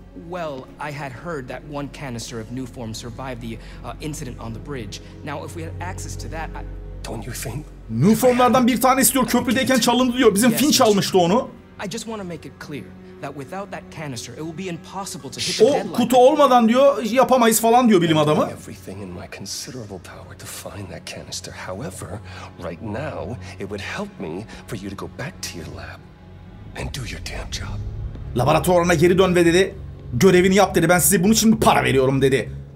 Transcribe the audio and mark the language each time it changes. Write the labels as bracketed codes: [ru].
[en] Well, I had heard that one canister of new form survived the incident on the bridge. Now, if we had access to that, don't you think? [tr] New formlardan bir tane istiyor. Köprüdeyken çalındı diyor. Bizim Finch almıştı onu. [en] I just want to make it clear that without that canister, it will be impossible to hit the deadline. [tr] O kutu olmadan diyor yapamayız falan diyor bilim adamı. [en] Everything in my considerable power to find that canister. However, right now, it would help me for you to go back to your lab and do your damn job. [tr] Laboratuvarına geri dön ve dedi. Görevini yap dedi. Ben size bunun için para veriyorum dedi.